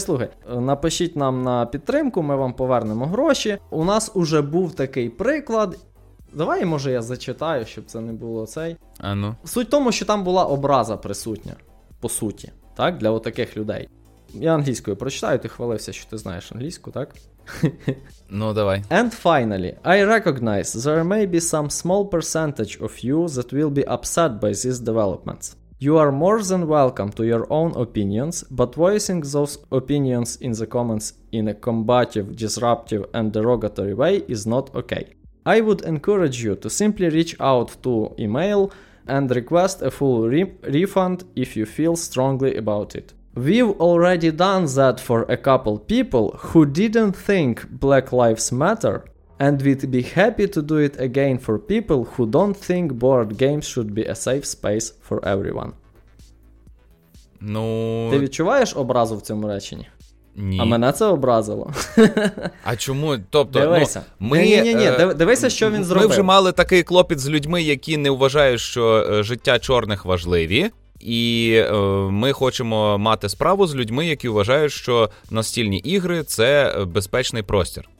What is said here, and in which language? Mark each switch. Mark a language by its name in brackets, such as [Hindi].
[Ukrainian] Слухай, напишіть нам на підтримку, ми вам повернемо гроші. У нас уже був такий приклад. Давай, може, я зачитаю, щоб це не було цей. А ну. Суть в тому, що там була образа присутня, по суті, так, для отаких людей. Я англійською прочитаю, ти хвалився, що ти знаєш англійську, так? Ну, давай. [English] And finally, I recognize there may be some small percentage of you that will be upset by these developments. You are more than welcome to your own opinions, but voicing those opinions in the comments in a combative, disruptive and derogatory way is not okay. I would encourage you to simply reach out to email and request a full refund if you feel strongly about it. We've already done that for a couple people who didn't think Black Lives Matter, and we'd be happy to do it again for people who don't think board games should be a safe space for everyone. [Ukrainian] Ну... Ти відчуваєш образу в цьому реченні? Ні. А мене це образило. А чому? Тобто, дивися. Ну, ми... Ні-ні-ні, дивися, що він зробив. Ми вже мали такий клопіт з людьми, які не вважають, що життя чорних важливі. І ми хочемо мати справу з людьми, які вважають, що настільні ігри – це безпечний простір.